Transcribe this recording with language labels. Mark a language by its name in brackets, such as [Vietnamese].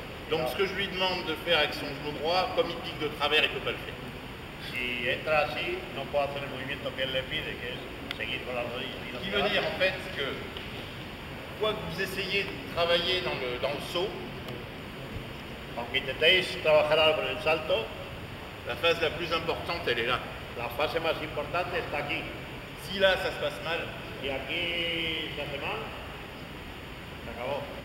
[French] Donc ce que je lui demande de faire avec son genou droit, comme il pique de travers, il ne peut pas le faire. [Spanish] Si entra así, no puede hacer el movimiento que él le pide, que es seguir con la rodilla. [French] Ce qui veut dire en fait que, quoi que vous essayez de travailler dans le saut, [Spanish] aunque intentéis trabajar algo en el salto, [French] la phase la plus importante, elle est là. [Spanish] La fase más importante está aquí. [French] Si là, ça se passe mal. [Spanish] Si aquí se hace mal, se acabó.